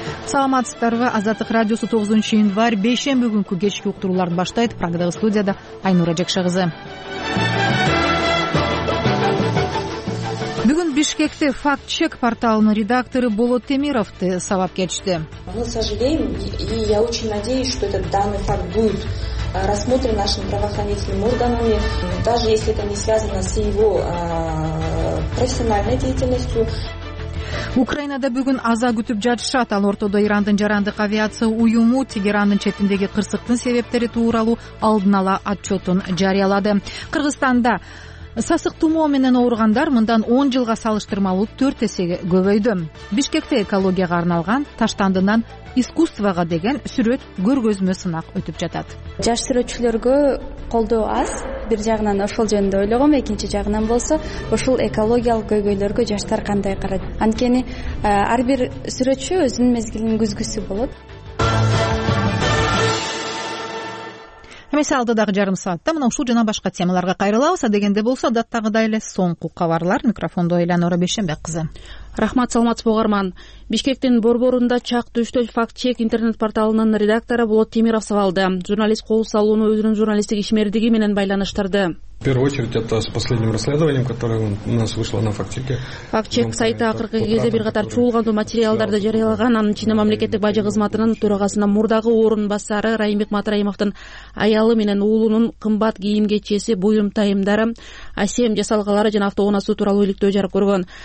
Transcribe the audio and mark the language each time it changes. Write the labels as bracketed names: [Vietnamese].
[Kyrgyz] Саламатсыздарбы, Азаттык радиосу 9 январ бейшемби күнкү кечки уктурууларды баштайт. Программа студияда Айнура Жакшы кызы. Бүгүн Бишкекте факт-чек порталынын редактору Болот Темировду сабап кетишти. [Russian] Мы сожалеем, и я очень надеюсь, что этот данный факт будет рассмотрен нашими правоохранительными органами, даже если это не связано с его профессиональной деятельностью. [Kyrgyz] Украинада бүгүн аза күтүп жатышат. Ал ортодо Ирандын жарандык авиация уюму Тегерандын четиндеги кырсыктын себептери тууралуу алдын ала отчетун жарыялады. Кыргызстанда сасык тумоо менен ооругандар мындан 10 жылга салыштырмалуу 4 эсеге көбөйдү. Бишкекте экологияга арналган таштандынан искусствага деген сүрөт көргөзмө сынак өтүп жатат. Жаш сүрөтчүлөргө колдоо аз. Бир жагынан ошол жөнүндө ойлогом, экинчи жагынан болсо ушул экологиялык көйгөйлөргө жаштар кандай карайт? Анткени ар бир сүрөтчү өзүнүн мезгилинин күзгүсү болот. Эмесе алдыдагы жарым саатта мына ушул жана башка темаларга кайрылабыз. А дегенде болсо адаттагыдай эле соңку кабарлар. Микрофондо Эленора Бешенбек кызы. Рахмат, саламатсыз болуңуз угарман. Бишкектин борборунда чак түштөл факт-чек интернет порталынын редактору Болот Темиров сабалды. Журналист кол салууну өзүнүн журналисттик ишмердиги менен байланыштырды. [Russian] В первую очередь это с последним расследованием, которое у нас вышло на фактчеке. [Kyrgyz] Фактчек сайты акыркы кезде бир катар чуулгандуу материалдарды жарыялаган. Анын ичинде мамлекеттик бажы кызматынын төрагасына мурдагы орун басары Райымбек Матраимовдун аялы менен уулунун кымбат кийим кечеси, буюм тайымдары, АСМ жасалгалары жана автоунаасы тууралуу иликтөө жарык көргөн.